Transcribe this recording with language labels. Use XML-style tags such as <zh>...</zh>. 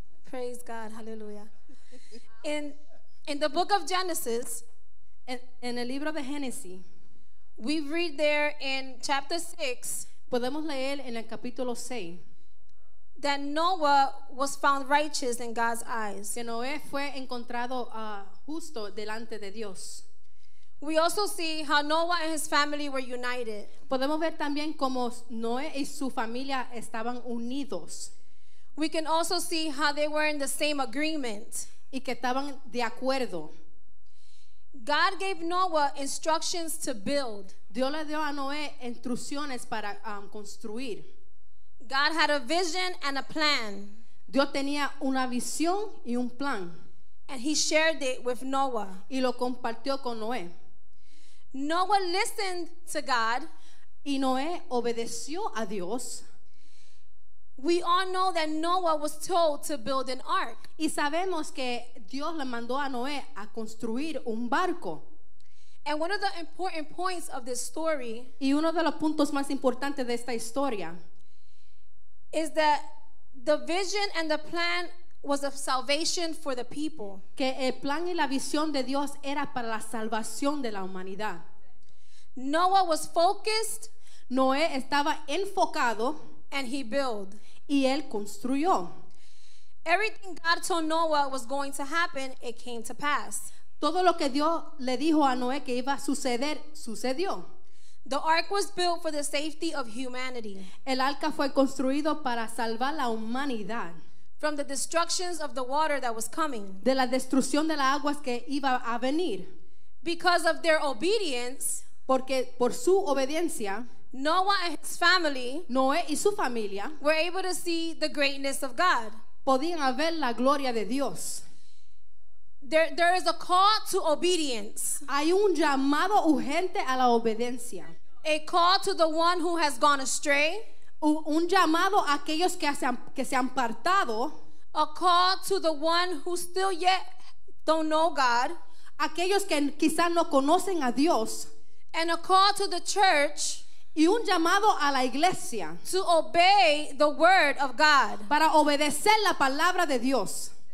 <en>Praise God. Hallelujah. In the book of Genesis...</en> <es>En el libro de Génesis,</es> <en>we read there in chapter 6,</en> <es>podemos leer en el capítulo 6,</es> <en>that Noah was found righteous in God's eyes.</en> <es>Que Noé fue encontrado justo delante de Dios.</es> <en>We also see how Noah and his family were united.</en> <es>Podemos ver también como Noé y su familia estaban unidos.</es> <en>We can also see how they were in the same agreement.</en> <es>Y que estaban de acuerdo.</es> <en>God gave Noah instructions to build.</en> <es>Dios le dio a Noé instrucciones para construir.</es> <en>God had a vision and a plan.</en> <es>Dios tenía una visión y un plan.</es> <en>And he shared it with Noah.</en> <es>Y lo compartió con Noé.</es> <en>Noah listened to God.</en> <es>Y Noé obedeció a Dios.</es> <en>We all know that Noah was told to build an ark.</en> <es>Y sabemos que Dios le mandó a Noé a construir un barco.</es> <en>And one of the important points of this story,</en> <es>y uno de los puntos más importantes de esta historia,</es> <en>is that the vision and the plan was of salvation for the people.</en> <es>Que el plan y la visión de Dios era para la salvación de la humanidad.</es> <en>Noah was focused.</en> <es>Noé estaba enfocado.</es> <en>And he built.</en> <es>Y él construyó.</es> <en>Everything God told Noah was going to happen, it came to pass.</en> <es>Todo lo que Dios le dijo a Noé que iba a suceder, sucedió.</es> <en>The ark was built for the safety of humanity.</en> <es>El arca fue construido para salvar la humanidad.</es> <en>From the destructions of the water that was coming.</en> <es>De la destrucción de las aguas que iba a venir.</es> <en>Because of their obedience.</en> <es>Porque por su obediencia.</es> <en>Noah and his family,</en> <es>Noé y su familia,</es> <en>were able to see the greatness of God.</en> <es>Podían ver la gloria de Dios.</es> <en>There is a call to obedience.</en> <es>Hay un llamado urgente a la obediencia.</es> <en>A call to the one who has gone astray.</en> <es>Un llamado a aquellos que se han apartado.</es> <en>A call to the one who still yet don't know God.</en> <es>Aquellos que quizás no conocen a Dios.</es> <en>And a call to the church.</en> <es>Y un llamado a la iglesia.</es> <en>To obey the word of God.</en> <es>Para obedecer la palabra de Dios.</es>